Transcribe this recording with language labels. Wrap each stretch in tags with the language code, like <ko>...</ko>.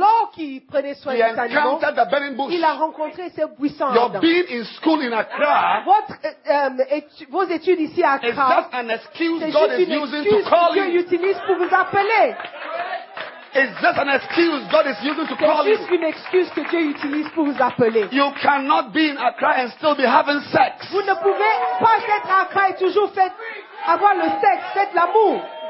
<fr>alors qu'il prenait soin</fr> <en>he encountered the burning bush.</en> <fr>Il a rencontré ce buisson.</fr> <en>Your being in school in Accra,</en> <fr>vos études ici à Accra,</fr> <en>is that an excuse God is using to call you?</en> <fr>Dieu utilise pour vous appeler.</fr> <en>It's just an excuse God is using to call you.</en> <fr>C'est juste une excuse que Dieu utilise pour vous appeler.</fr> <en>You cannot be in Accra and still be having sex.</en> <fr>Vous ne pouvez pas être à Accra et toujours faire avoir le sexe, faire l'amour.</fr>